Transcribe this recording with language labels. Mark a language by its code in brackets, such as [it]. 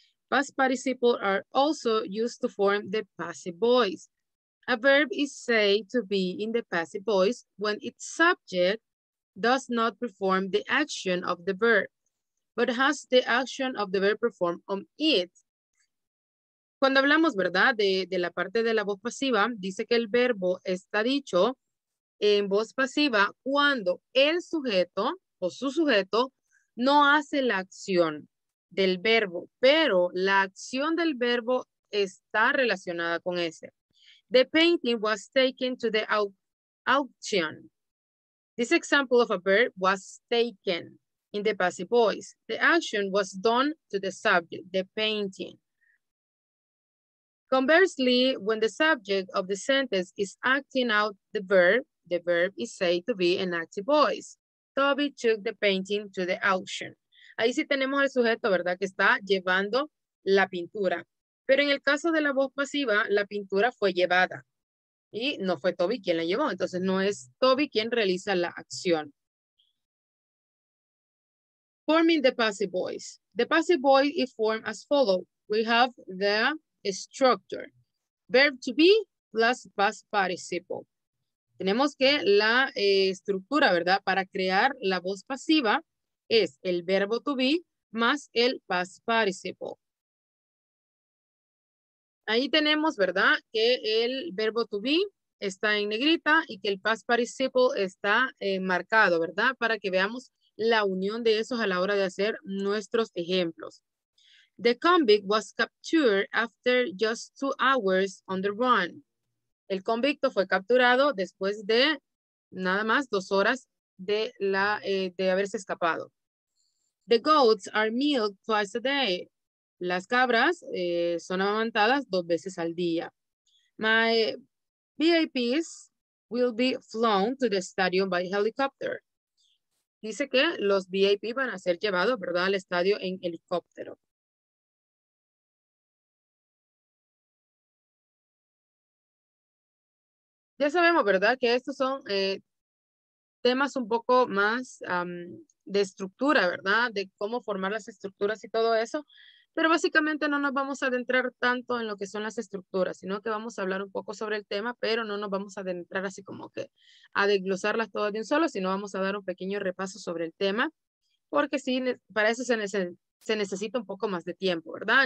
[en] Past participle are also used to form the passive voice. A verb is said to be in the passive voice when its subject does not perform the action of the verb, but has the action of the verb performed on it. [es] Cuando hablamos, ¿verdad?, de la parte de la voz pasiva, dice que el verbo está dicho en voz pasiva cuando el sujeto o su sujeto no hace la acción del verbo, pero la acción del verbo está relacionada con ese. [en] The painting was taken to the auction. This example of a verb was taken in the passive voice. The action was done to the subject, the painting. Conversely, when the subject of the sentence is acting out the verb is said to be an active voice. Toby took the painting to the auction. [es] Ahí sí tenemos al sujeto, ¿verdad?, que está llevando la pintura. Pero en el caso de la voz pasiva, la pintura fue llevada. Y no fue Toby quien la llevó. Entonces no es Toby quien realiza la acción. [en] Forming the passive voice. The passive voice is formed as follows. We have the structure. Verb to be plus past participle. [es] Tenemos que la estructura, ¿verdad?, para crear la voz pasiva es el verbo to be más el past participle. Ahí tenemos, ¿verdad?, que el verbo to be está en negrita y que el past participle está marcado, ¿verdad?, para que veamos la unión de esos a la hora de hacer nuestros ejemplos. [en] The convict was captured after just 2 hours on the run. [es] El convicto fue capturado después de nada más 2 horas de la de haberse escapado. [en] The goats are milked twice a day. [es] Las cabras son amamantadas 2 veces al día. [en] My VIPs will be flown to the stadium by helicopter. [es] Dice que los VIP van a ser llevados, ¿verdad?, al estadio en helicóptero. Ya sabemos, ¿verdad?, que estos son temas un poco más de estructura, ¿verdad?, de cómo formar las estructuras y todo eso, pero básicamente no nos vamos a adentrar tanto en lo que son las estructuras, sino que vamos a hablar un poco sobre el tema, pero no nos vamos a adentrar así como que a desglosarlas todas de un solo, sino vamos a dar un pequeño repaso sobre el tema, porque sí, para eso se necesita un poco más de tiempo, ¿verdad?